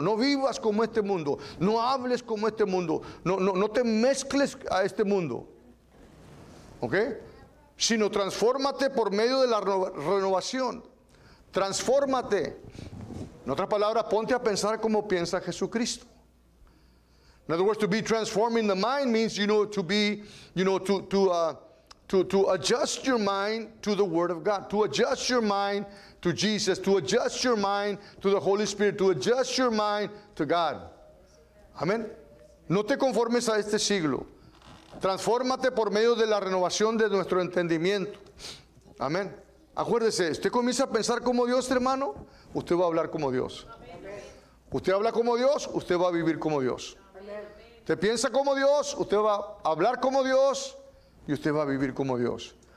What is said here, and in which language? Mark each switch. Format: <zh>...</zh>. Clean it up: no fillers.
<es>No vivas como este mundo. No hables como este mundo. No te mezcles a este mundo. ¿Ok? Sino transfórmate por medio de la renovación. Transfórmate. En otras palabras, ponte a pensar como piensa Jesucristo.</es> <en>In other words, to be transforming the mind means, you know, to be, you know, to adjust your mind to the Word of God, to adjust your mind to Jesus, to adjust your mind to the Holy Spirit, to adjust your mind to God.</en> <es>Amén. No te conformes a este siglo. Transfórmate por medio de la renovación de nuestro entendimiento. Amén. Acuérdese, usted comienza a pensar como Dios, hermano, usted va a hablar como Dios. Usted habla como Dios, usted va a vivir como Dios. Usted piensa como Dios, usted va a hablar como Dios y usted va a vivir como Dios.</es>